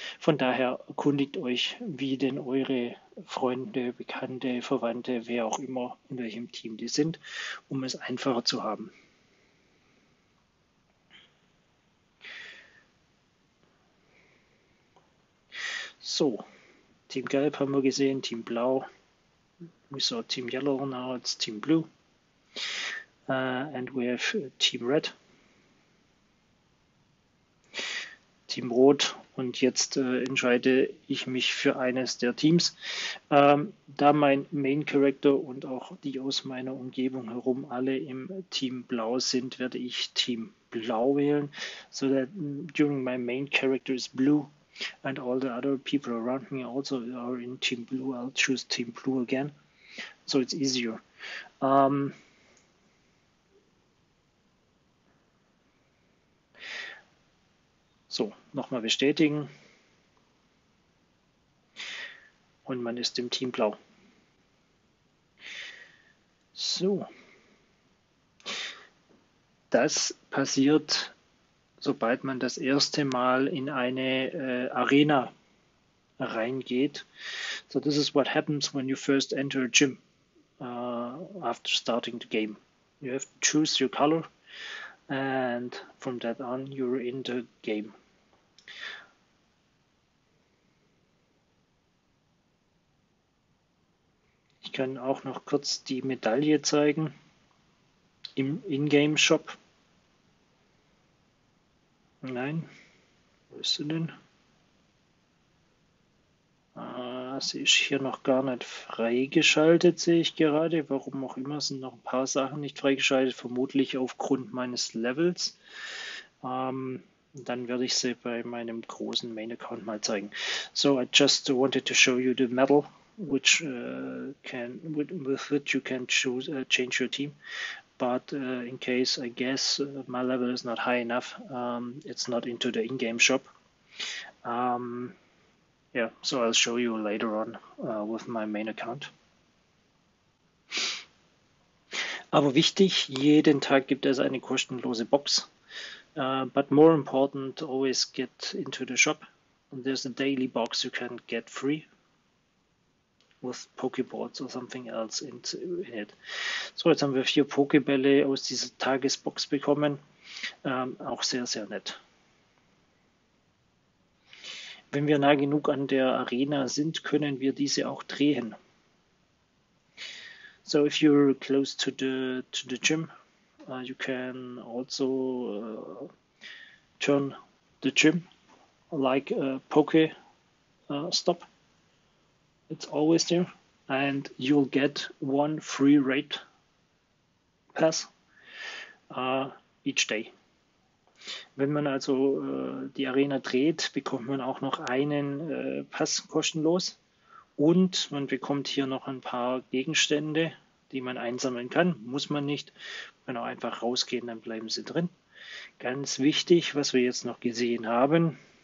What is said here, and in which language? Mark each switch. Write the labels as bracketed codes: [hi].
[de] Von daher erkundigt euch, wie denn eure Freunde, Bekannte, Verwandte, wer auch immer, in welchem Team die sind, um es einfacher zu haben. So, Team Gelb haben wir gesehen, Team Blau. [en] We saw Team Yellow, now it's Team Blue. And we have Team Red. [de] Team Rot und jetzt entscheide ich mich für eines der Teams. Da mein Main Character und auch die aus meiner Umgebung herum alle im Team Blau sind, werde ich Team Blau wählen. [en] So that during my main character is blue and all the other people around me also are in Team Blue, I'll choose Team Blue again. So it's easier. [de] So, nochmal bestätigen. Und man ist im Team Blau. So. Das passiert, sobald man das erste Mal in eine Arena reingeht. [en] So, this is what happens when you first enter a gym after starting the game. You have to choose your color and from that on you're in the game. [de] Ich kann auch noch kurz die Medaille zeigen im Ingame Shop. Nein, wo ist sie denn? Ah, sie ist hier noch gar nicht freigeschaltet, sehe ich gerade. Warum auch immer, sind noch ein paar Sachen nicht freigeschaltet, vermutlich aufgrund meines Levels. Dann werde ich sie bei meinem großen Main-Account mal zeigen. [en] So, I just wanted to show you the medal, with which you can choose change your team. But in case I guess my level is not high enough, it's not into the in-game shop. Yeah, so I'll show you later on with my Main-Account. [de] Aber wichtig, jeden Tag gibt es eine kostenlose Box. [en] But more important, always get into the shop. And there's a daily box you can get free with Pokeballs or something else in it. [de] So, jetzt haben wir vier Pokebälle aus dieser Tagesbox bekommen. Auch sehr, sehr nett. Wenn wir nah genug an der Arena sind, können wir diese auch drehen. [en] So, if you're close to the gym, you can also turn the gym like a poke stop. It's always there, and you'll get one free raid pass each day. [de] Wenn man also die Arena dreht, bekommt man auch noch einen Pass kostenlos und man bekommt hier noch ein paar Gegenstände, die man einsammeln kann. Muss man nicht, wenn auch einfach rausgehen, dann bleiben sie drin. Ganz wichtig, was wir jetzt noch gesehen haben.